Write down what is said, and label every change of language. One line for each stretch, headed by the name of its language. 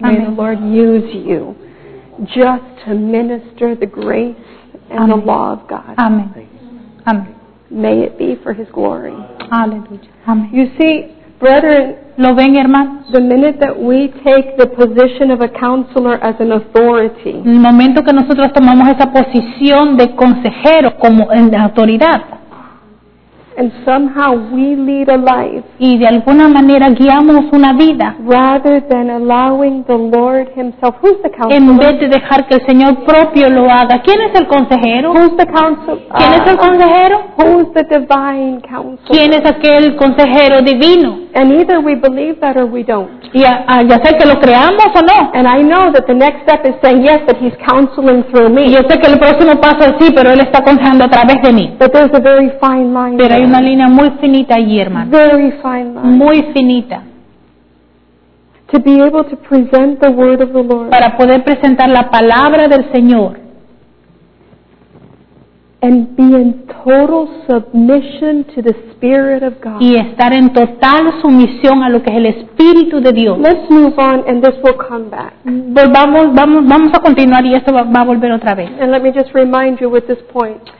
English: May the Lord use you just to minister the grace and Amen. The law of God. Amen. Amen. May it be for his glory. Hallelujah. Amen. You see, brethren,
Spanish: ¿Lo ven, hermanos?
English: The minute that we take the position of a counselor as an authority,
Spanish: el momento que nosotros tomamos esa posición de consejero como en la autoridad,
English: and somehow we lead a life,
Spanish: y de alguna manera guiamos una vida,
English: rather than allowing the Lord himself, who's the counselor?
Spanish: En vez de dejar que el Señor propio lo haga. ¿Quién es el consejero?
English: Who's the counselor?
Spanish: ¿Quién es el consejero?
English: Who's the divine counselor?
Spanish: ¿Quién es aquel consejero divino?
English: And either we believe that or we don't.
Spanish: Ya sé que lo creamos o no.
English: And I know that the next step is saying yes, but he's counseling through me.
Spanish: Yo sé que el próximo paso es sí, pero él está aconsejando a través de mí.
English: But there's a very fine line.
Spanish: Pero hay una línea muy finita allí, hermano.
English: Very fine line.
Spanish: Muy finita.
English: To be able to present the word of the Lord.
Spanish: Para poder presentar la palabra del Señor.
English: And be in total submission to the Spirit of God.
Spanish: Y estar en total sumisión a lo que es el Espíritu de Dios.
English: Let's move on, and this will come back.
Spanish: Vamos a continuar y esto va a volver otra vez.
English: And let me just remind you with this point.